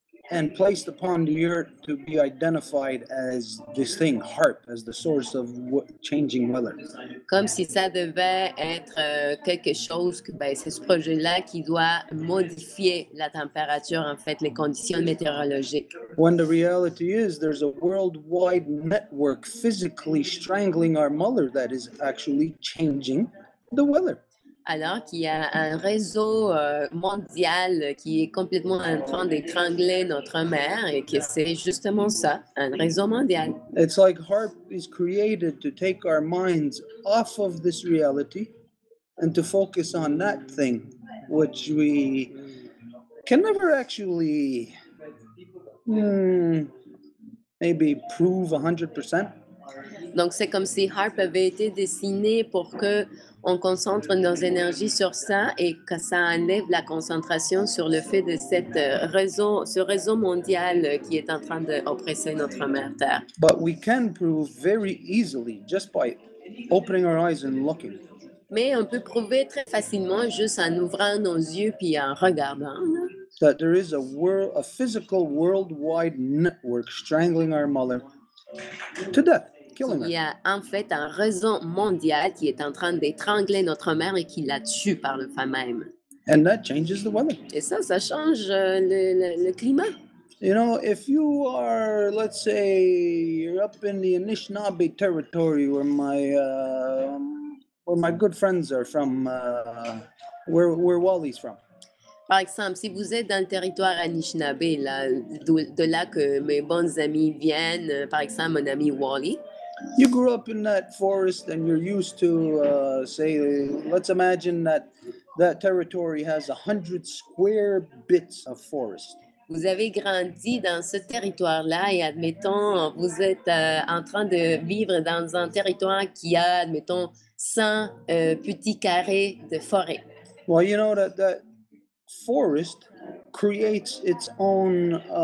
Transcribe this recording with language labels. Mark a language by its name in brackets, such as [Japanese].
[English] and placed upon the earth to be identified as this thing, harp, as the source of changing weather. [French] Comme si ça devait être quelque chose que ben c'est ce projet-là qui doit modifier la température, en fait, les conditions météorologiques. [English] When the reality is, there's a worldwide network physically strangling our Mueller that is actually changing the weather. [French] Alors qu'il y a un réseau mondial qui est complètement en train d'étrangler notre mer et que c'est justement ça, un réseau mondial. [English] It's like HARP is created to take our minds off of this reality and to focus on that thing which we can never actually maybe prove 100%. [French] Donc c'est comme si HARP avait été dessiné pour que on concentre nos énergies sur ça et que ça enlève la concentration sur le fait de cette réseau, ce réseau mondial qui est en train d'oppresser notre mère Terre. [English] But we can prove very easily just by opening our eyes and looking. [French] Mais on peut prouver très facilement juste en ouvrant nos yeux puis en regardant. [English] That there is a physical worldwide network strangling our mother to death. [French] Il y a en fait un réseau mondial qui est en train d'étrangler notre mère et qui la tue par le fait même. [English] And that changes the weather. [French] Et ça, ça change le climat. [English] You know, if you are, let's say, you're up in the Anishinaabe territory where my good friends are from, where Wally's from. [French] Par exemple, si vous êtes dans le territoire Anishinaabe, là, de là que mes bons amis viennent, par exemple, mon ami Wally. [English] You grew up in that forest and you're used to, say, let's imagine that territory has 100 square bits of forest. [French] Vous avez grandi dans ce territoire-là et admettons, vous êtes en train de vivre dans un territoire qui a, admettons, 100 petits carrés de forêt. [English] Well, you know that forest creates its own...